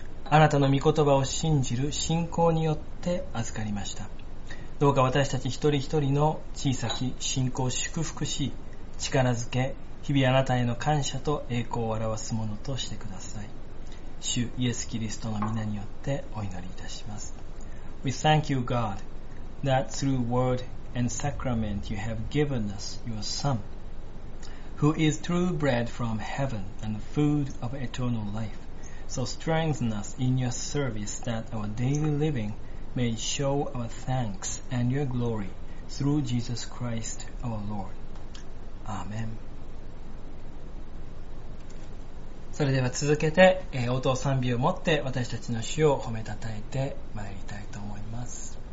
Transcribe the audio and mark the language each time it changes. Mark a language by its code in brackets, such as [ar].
[ja] あなたの御言葉を信じる信仰によって預かりました。どうか私たち一人一人の小さき信仰を祝福し、力づけ、日々あなたへの感謝と栄光を表すものとしてください。主イエス・キリストの御名によってお祈りいたします。 [en] We thank you God that through word and sacrament you have given us your Son who is true bread from heaven and food of eternal life. So strengthen us in your service that our daily living may show our thanks and your glory through Jesus Christ our Lord. Amen. [ja] それでは続けて、応答賛美をもって私たちの主を褒めたたえてまいりたいと思います。